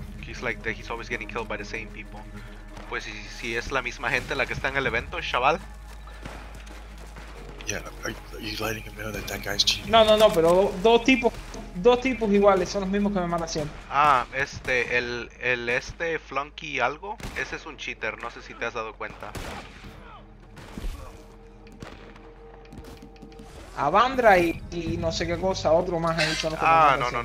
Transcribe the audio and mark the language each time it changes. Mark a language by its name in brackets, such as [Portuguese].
[English] He's like that he's always getting killed by the same people. [Spanish] Pues si es la misma gente la que está en el evento, chaval. [English] Yeah, are you letting him know that guy's cheating? [Spanish] No, pero dos tipos iguales, son los mismos que me matan siempre. Ah, el Flunky algo, ese es un cheater, no sé si te has dado cuenta. Avandra y no sé qué cosa, otro más ahí son los